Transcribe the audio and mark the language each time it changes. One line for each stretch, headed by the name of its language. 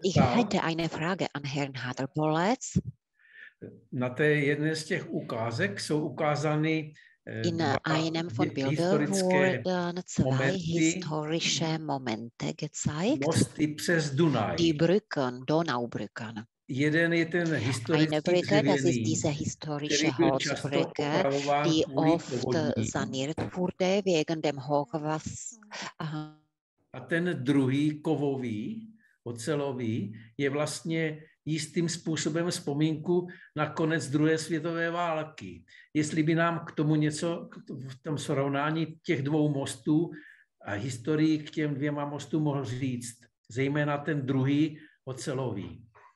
German: Ich hätte eine Frage an Herrn Haderbolz.
Czech: Na té jedné z těch ukázek jsou ukázány
German: in einem von Bildern zwei historische Momente gezeigt.
Czech: Mosty přes Dunaj.
German: Die Brücken, Donaubrücken.
Czech: Jeden je ten historický
German: Brücke, dřevěný, das ist diese historische Holzbrücke, die oft saniert wurde wegen dem Hochwasser.
Czech: A ten druhý kovový, ocelový, je vlastně jistým způsobem vzpomínku na konec druhé světové války. Jestli by nám k tomu něco v tom srovnání těch dvou mostů a historii k těm dvěma mostům mohl říct, zejména ten druhý ocelový.